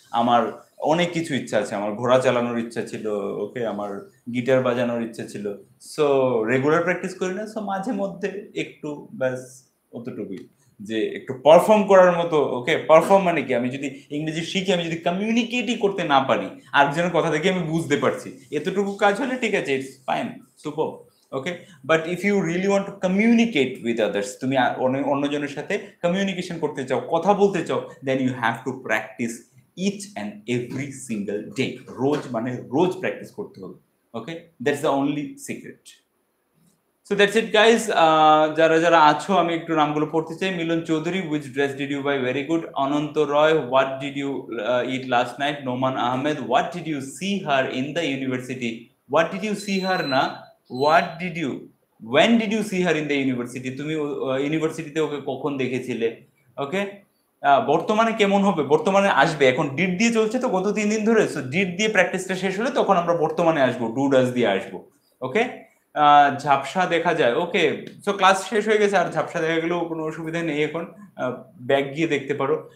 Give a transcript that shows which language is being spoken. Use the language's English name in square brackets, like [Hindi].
[Bangla] আমার অনেক কিছু ইচ্ছা আছে, আমার ঘোড়া চালানোর ইচ্ছা ছিল, ওকে, আমার গিটার বাজানোর ইচ্ছা ছিল, সো রেগুলার প্র্যাকটিস করি না, সো মাঝে মধ্যে একটু ব্যাস অতটুকুই, যে একটু পারফর্ম করার মতো, ওকে, পারফর্ম মানে কি, আমি যদি ইংরেজি শিখি, আমি যদি কমিউনিকেটই করতে না পারি আরেকজনের কথা দেখে আমি বুঝতে পারছি, এতটুকু কাজ হলে ঠিক আছে, [English] it's fine, super, Okay, but if you really want to communicate with others, [Bangla] তুমি অন্য জনের সাথে কমিউনিকেশন করতে চাও, কথা বলতে চাও, [English] then you have to practice each and every single day. [Bangla] রোজ মানে রোজ প্র্যাকটিস করতে হবে. [English] Okay, that's the only secret. So that's it guys. [Bangla] যারা যারা আছো আমি একটু নামগুলো পড়তে চাই. [English] Milan Chowdhury, which dress did you buy? Very good. Ananta Roy, what did you eat last night? Noman Ahmed, what did you see her in the university? What did you see her না, what did you, when did you see her in the university? [Bangla] তুমি ইউনিভার্সিটিতে ওকে কখন দেখেছিলে? Okay, বর্তমানে কেমন হবে? বর্তমানে আসবে, এখন ডিড দিয়ে চলছে তো গত 3 দিন ধরে. সো ডিড দিয়ে প্র্যাকটিসটা শেষ হলে তখন আমরা বর্তমানে আসবো, ডু ডাজ দিয়ে আসবো. ওকে, ঝাপসা দেখা যায়, ওকে. সো ক্লাস শেষ হয়ে গেছে আর ঝাপসা দেখা গেলেও কোনো অসুবিধা নেই, এখন ব্যাগ গিয়ে দেখতে পারো.